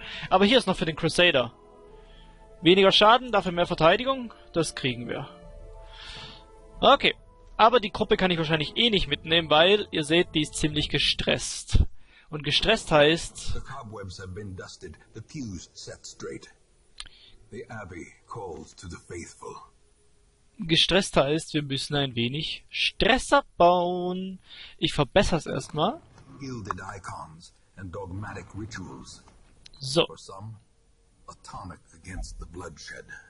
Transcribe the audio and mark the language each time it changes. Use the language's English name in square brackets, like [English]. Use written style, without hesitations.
[German] Aber hier ist noch für den Crusader. Weniger Schaden, dafür mehr Verteidigung. Das kriegen wir. Okay. Aber die Gruppe kann ich wahrscheinlich eh nicht mitnehmen, weil, ihr seht, die ist ziemlich gestresst. Und gestresst heißt... [English] The cobwebs have been dusted, the pews set straight. The Abbey calls to the faithful. [German] Gestresst heißt, wir müssen ein wenig Stress abbauen. Ich verbessere es erstmal. [English] Gilded icons and dogmatic rituals. So. For some, a tonic against the bloodshed.